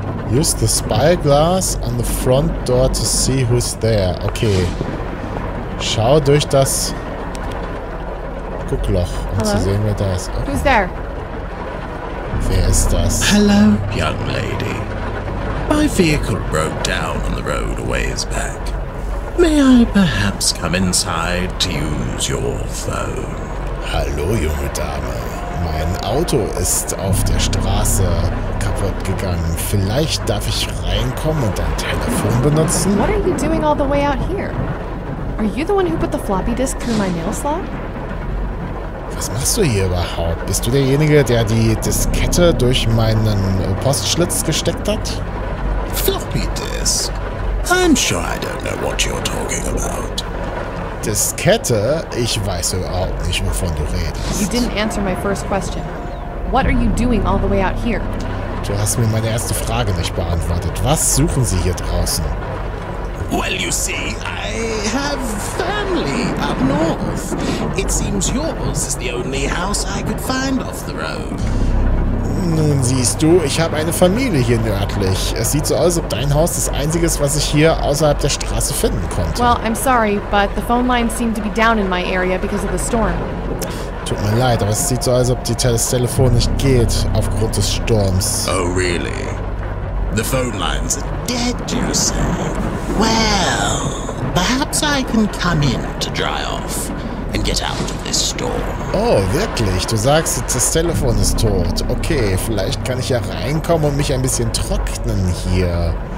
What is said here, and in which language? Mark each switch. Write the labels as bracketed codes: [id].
[en] Use the spyglass on the front door to see who's there. Okay. [de] Schau durch das Guckloch, um zu sehen, wer da ist. [en] Okay. Who's there? [de] Wer ist das? [en] Hello, young lady. My vehicle broke down on the road a ways back. May I perhaps come inside to use your phone? [de] Hallo, junge Dame. Mein Auto ist auf der Straße kaputt. kaputt gegangen. Vielleicht darf ich reinkommen und dein Telefon benutzen? [en] What are you doing all the way out here? Are you the one who put the floppy disk through my nail slot? [de] Was machst du hier überhaupt? Bist du derjenige, der die Diskette durch meinen Postschlitz gesteckt hat? [en] Floppy disk? I'm sure I don't know what you're talking about. [de] Diskette? Ich weiß überhaupt nicht, wovon du redest. [en] You didn't answer my first question. What are you doing all the way out here? [de] Du hast mir meine erste Frage nicht beantwortet. Was suchen Sie hier draußen? [en] Well, you see, I have family up north. It seems yours is the only house I could find off the road. [de] Nun siehst du, ich habe eine Familie hier nördlich. Es sieht so aus, als ob dein Haus das einzige ist, was ich hier außerhalb der Straße finden konnte. [en] Well, I'm sorry, but the phone lines seem to be down in my area because of the storm. [de] Tut mir leid, aber es sieht so aus, als ob das Telefon nicht geht aufgrund des Sturms. [en] Oh, really? The phone lines are dead, you say? Well, perhaps I can come in to dry off and get out of this storm. [de] Oh, wirklich? Du sagst, das Telefon ist tot. Okay, vielleicht kann ich ja reinkommen und mich ein bisschen trocknen hier.